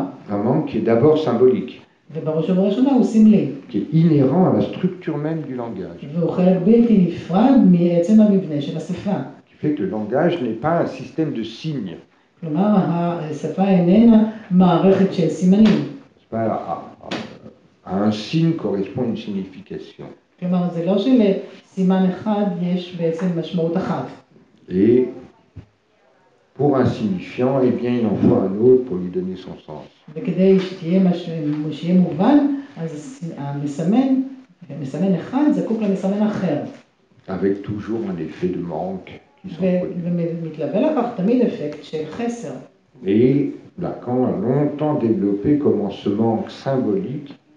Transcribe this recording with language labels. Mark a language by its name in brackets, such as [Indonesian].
[French] Un manque qui est d'abord symbolique. Qui est inhérent à la structure même du langage. Qui fait que le langage n'est pas un système de signes. C'est pas à un signe correspond une signification. [Hebrew] כלומר, זה לא שלסימן אחד יש בעצם משמעות אחת. [French] Et pour un signifiant, eh bien, il en faut un autre pour lui donner son sens. [Hebrew] וכדי שיהיה מובן, אז המסמן אחד זקוק למסמן אחר. [French] Avec toujours un effet de manque qui s'en produit. [Hebrew] ומתלווה לכך תמיד אפקט של חסר. [French] Et Lacan a longtemps développé comment ce manque symbolique